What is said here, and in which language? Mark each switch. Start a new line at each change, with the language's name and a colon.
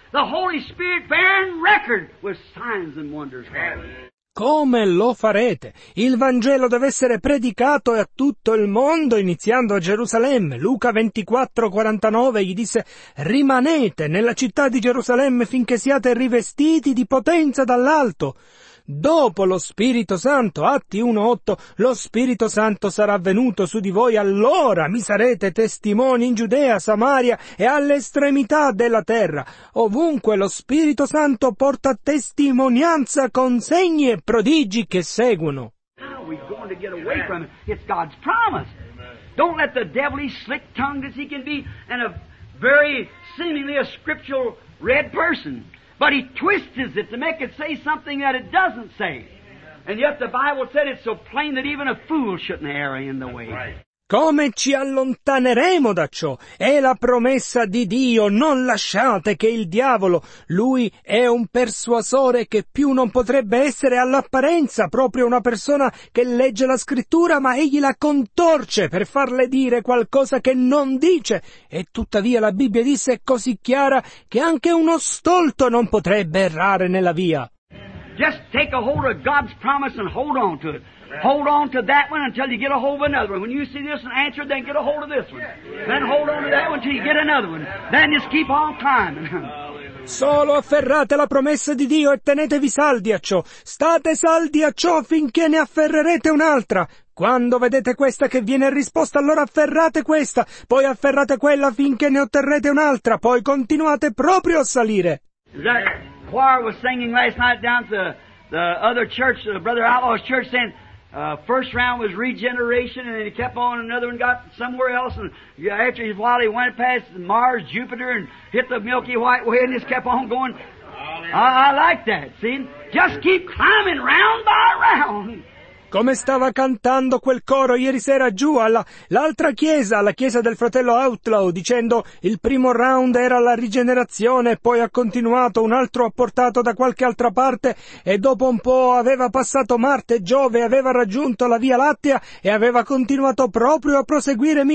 English: The Holy Spirit bearing record with signs and wonders.
Italian: Come lo farete? Il Vangelo deve essere predicato a tutto il mondo, iniziando a Gerusalemme. Luca 24:49 gli disse, rimanete nella città di Gerusalemme finché siate rivestiti di potenza dall'alto. Dopo lo Spirito Santo, Atti 1:8, lo Spirito Santo sarà venuto su di voi, allora mi sarete testimoni in Giudea, Samaria e all'estremità della terra. Ovunque lo Spirito Santo porta testimonianza con segni e prodigi che seguono.
English: How are we going to get away from it? It's God's promise. Don't let the devil be slick-tongued as he can be and a very seemingly a scriptural red person. But he twists it to make it say something that it doesn't say. And yet the Bible said it's so plain that even a fool shouldn't err in the way.
Italian: Come ci allontaneremo da ciò? È la promessa di Dio, non lasciate che il diavolo, lui è un persuasore che più non potrebbe essere all'apparenza proprio una persona che legge la scrittura, ma egli la contorce per farle dire qualcosa che non dice. E tuttavia la Bibbia disse è così chiara che anche uno stolto non potrebbe errare nella via.
English: Just take a hold of God's promise and hold on to it. Hold on to that one until you get a hold of another one. When you see this one answered, then get a hold of this one. Then hold on to that one until you get another one. Then just keep on climbing.
Italian: Solo afferrate la promessa di Dio e tenetevi saldi a ciò. State saldi a ciò finché ne afferrerete un'altra. Quando vedete questa che viene risposta, allora afferrate questa. Poi afferrate quella finché ne otterrete un'altra. Poi continuate proprio a salire.
English: That choir was singing last night down to the other church, the Brother Outlaw's church, saying, first round was regeneration, and then he kept on, another one got somewhere else, and after a while he went past Mars, Jupiter, and hit the Milky White Way, and just kept on going. I like that, see? Just keep climbing round by round.
Italian: Come stava cantando quel coro ieri sera giù all'altra chiesa, alla chiesa del fratello Outlaw, dicendo il primo round era la rigenerazione, poi ha continuato, un altro ha portato da qualche altra parte e dopo un po' aveva passato Marte, Giove, aveva raggiunto la Via Lattea e aveva continuato proprio a proseguire.